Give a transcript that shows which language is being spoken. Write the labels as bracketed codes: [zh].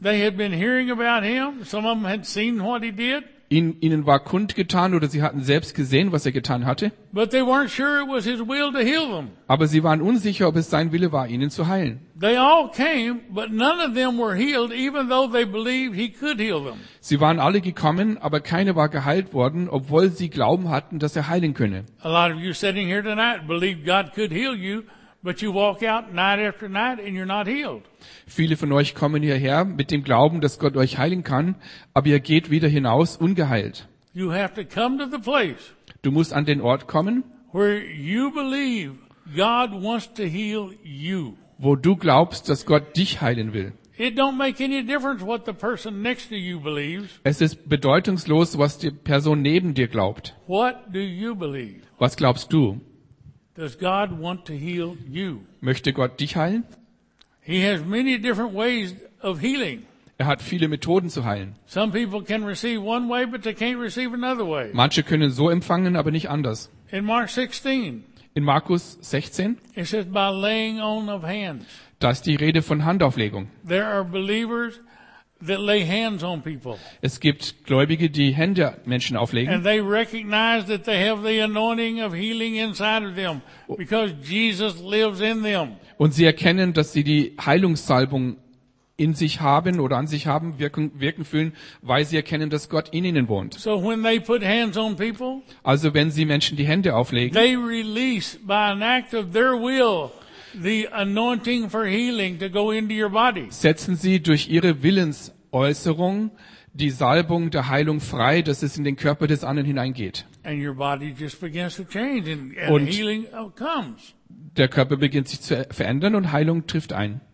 [en] They had been hearing about him. Some of them had seen what he did. [de] ihnen war kundgetan oder sie hatten selbst gesehen, was er getan hatte. [en] But they weren't sure it was his will to heal them. [de] Aber sie waren unsicher, ob es sein Wille war, ihnen zu heilen. [en] They all came, but none of them were healed, even though they believed he could heal them. [de] Sie waren alle gekommen, aber keiner war geheilt worden, obwohl sie Glauben hatten, dass er heilen könne. [en] A lot of you sitting here tonight believe God could heal you. But you walk out night after night and you're not healed. [de] Viele von euch kommen hierher mit dem Glauben, dass Gott euch heilen kann, aber ihr geht wieder hinaus ungeheilt. [en] You have to come to the place. [de] Du musst an den Ort kommen, [en] where you believe God wants to heal you. [de] Wo du glaubst, dass Gott dich heilen will. [en] It don't make any difference what the person next to you believes. [de] Es ist bedeutungslos, was die Person neben dir glaubt. [en] What do you believe? [de] Was glaubst du? [en] Does God want to heal you? [de] Möchte Gott dich heilen? [en] He has many different ways of healing. [de] Er hat viele Methoden zu heilen. [en] Some people can receive one way, but they can't receive another way. [de] Manche können so empfangen, aber nicht anders. [en] In [de] Markus 16. [en] It says by laying on of hands. [de] Da ist die Rede von Handauflegung. [en] There are believers that lay hands on people. [de] Es gibt Gläubige, die Hände Menschen auflegen. [en] And they recognize that they have the anointing of healing inside of them because Jesus lives in them. [de] Und sie erkennen, dass sie die Heilungssalbung in sich haben oder an sich haben, wirken fühlen, weil sie erkennen, dass Gott in ihnen wohnt. [en] So when they put hands on people, [de] also wenn sie Menschen die Hände auflegen, [en] they release by an act of their will the anointing for healing to go into your body. [de] Setzen Sie durch Ihre Willensäußerung die Salbung der Heilung frei, dass es in den Körper des anderen hineingeht. [en] And your body just begins to change and healing comes. [de] Der Körper beginnt sich zu verändern und Heilung trifft ein.